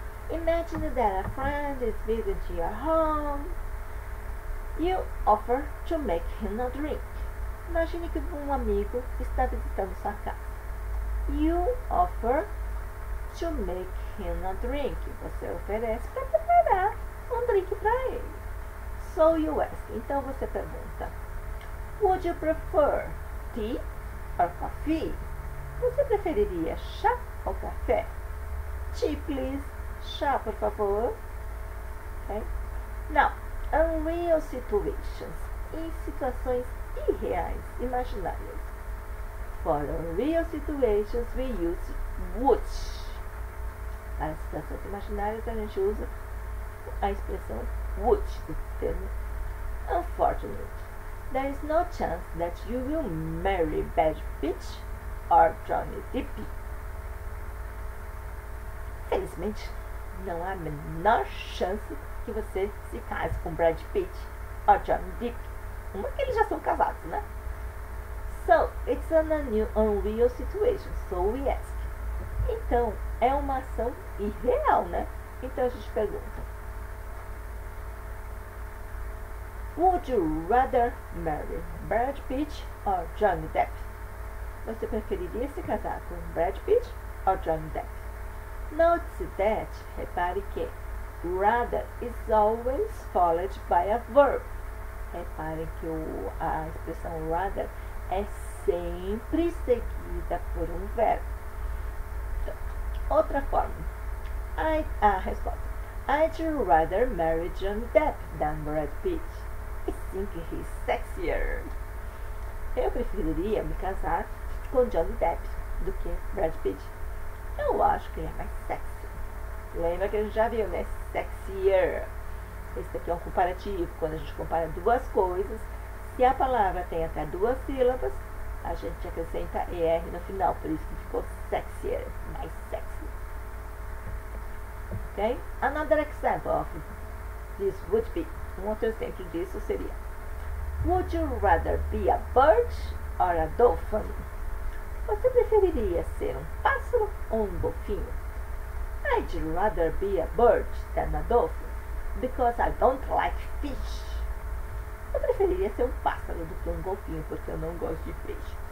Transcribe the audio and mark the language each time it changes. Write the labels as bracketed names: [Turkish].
[English] Imagine that a friend is visiting your home. You offer to make him a drink. [Portuguese] Imagine que um amigo está visitando sua casa. [English] You offer to make him a drink. [Portuguese] Você oferece para preparar um drink para ele. [English] So you ask. [Portuguese] Então você pergunta. [English] Would you prefer tea or coffee? [Portuguese] Você preferiria chá ou café? [English] Tea, please. [Portuguese] Chá, por favor. [English] Okay. Now, unreal situations. [Portuguese] Em situações irreais, imaginárias. [English] For real situations, we use would. [Portuguese] Para situações imaginárias, a gente usa a expressão would, o termo. [English] Unfortunately, there is no chance that you will marry Bad Bitch or Johnny Depp. [Portuguese] Felizmente, não há a menor chance que você se case com Brad Pitt ou Johnny Depp. Uma que eles já são casados, né? [English] So, it's an unreal situation. So we ask. [Portuguese] Então, é uma ação irreal, né? Então a gente pergunta. [English] Would you rather marry Brad Pitt or Johnny Depp? [Portuguese] Você preferiria se casar com Brad Pitt ou Johnny Depp? [English] Note that, [Portuguese] repare que [English] rather is always followed by a verb. [Portuguese] Reparem que a expressão rather é sempre seguida por um verbo. Então, outra forma. A resposta. [English] I'd rather marry Johnny Depp than Brad Pitt. I think he's sexier. [Portuguese] Eu preferiria me casar com Johnny Depp do que Brad Pitt. Eu acho que ele é mais sexy. Lembra que a gente já viu, né? Sexier. Esse aqui é um comparativo, quando a gente compara duas coisas, se a palavra tem até duas sílabas, a gente acrescenta ER no final, por isso que ficou sexier, mais sexy. [English] Ok? Another example of this would be, [Portuguese] um outro exemplo disso seria, [English] would you rather be a bird or a dolphin? [Portuguese] Você preferiria ser um pássaro ou um golfinho? [English] I'd rather be a bird than a dolphin. Because I don't like fish. [Portuguese] Eu preferiria ser um pássaro do que um golfinho, porque eu não gosto de peixe.